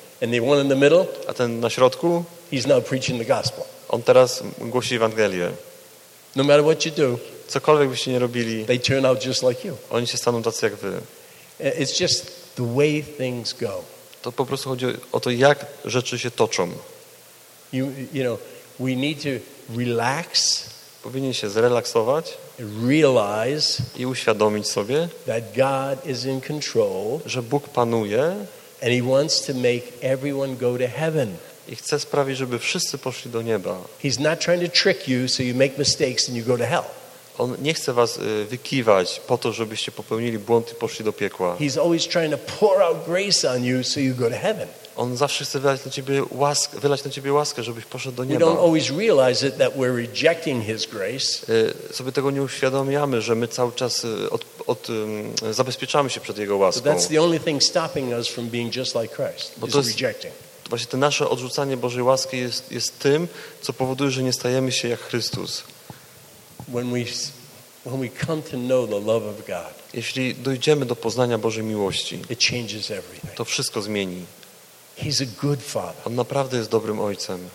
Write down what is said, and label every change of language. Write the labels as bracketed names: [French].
[English] And the one in the middle. [Polish] A ten na środku. [English] He's now preaching the gospel. [Polish] On teraz głosi Ewangelię. [English] No matter what you do. [Polish] Cokolwiek byście nie robili, [English] they turn out just like you. [Polish] Oni się staną tacy jak wy. [English] It's just the way things go. [Polish] To po prostu chodzi o to, jak rzeczy się toczą. [English] You know, we need to relax. [Polish] Powinien się zrelaksować. [English] Realize. [Polish] I uświadomić sobie, [English] that God is in control. [Polish] Że Bóg panuje. [English] And He wants to make everyone go to heaven. [Polish] I chce sprawić, żeby wszyscy poszli do nieba. [English] He's not trying to trick you, so you make mistakes and you go to hell. [Polish] On nie chce was wykiwać po to, żebyście popełnili błąd i poszli do piekła. [English] He's always trying to pour out grace on you so you go to heaven. [Polish] On zawsze chce wylać na ciebie łaskę, żebyś poszedł do nieba. [English] We don't always realize it that we're rejecting his grace. [Polish] Sobie tego nie uświadamiamy, że my cały czas zabezpieczamy się przed jego łaską. [English] But that's the only thing stopping us from being just like Christ. [Polish] Bo to [English] is rejecting. [Polish] Właśnie to nasze odrzucanie Bożej łaski jest tym, co powoduje, że nie stajemy się jak Chrystus. [English] When we come to know the love of God, [Polish] jeśli dojdziemy do poznania Bożej miłości, [English] it changes everything. [Polish] To wszystko zmieni. [English] He's a good father. [Polish] On naprawdę jest dobrym ojcem.